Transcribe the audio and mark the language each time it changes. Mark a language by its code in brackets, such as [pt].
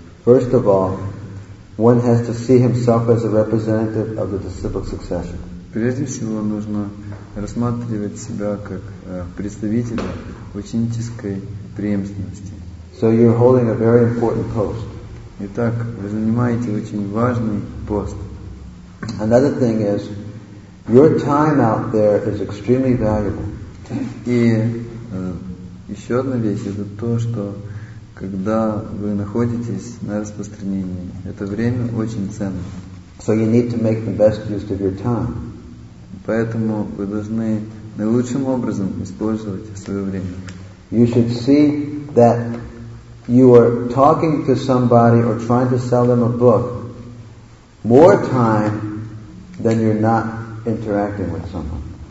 [en] First of all, one has to see himself as a representative of the disciplic succession. [ru] Прежде всего, нужно рассматривать себя как представителя ученической преемственности. [en] So you're holding a very important post. [ru] Итак, вы занимаете очень важный пост. [en] Another thing is, your time out there is extremely valuable. [ru] И еще одна вещь — это то, что когда вы находитесь на распространении, это время очень ценно. [en] So you need to make the best use of your time. [ru] Поэтому вы должны наилучшим образом использовать свое время. [en] You should see that you are talking to somebody or trying to sell them a book more time than you're not interacting with someone.